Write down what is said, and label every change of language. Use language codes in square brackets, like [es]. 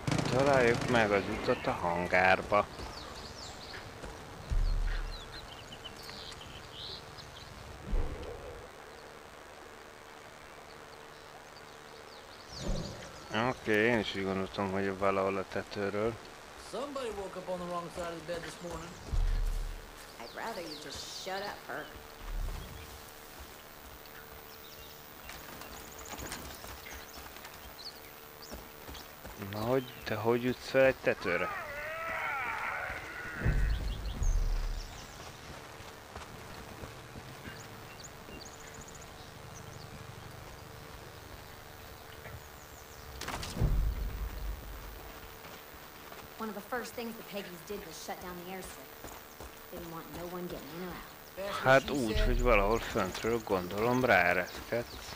[hu] Találjuk meg az utat a hangárba. Oké, én is így gondoltam, hogy valahol a tetőről. [en] Somebody woke up on the wrong side of the bed this morning. I'd rather you just shut up, Perk. [hu] Na, hogy, te hogy jutsz fel egy tetőre? [en] One of the first things the Peggy's did was shut down the airstrip. Didn't want no one getting in or out. [hu] Hát úgy, hogy valahol föntről gondolom ráereszkedt.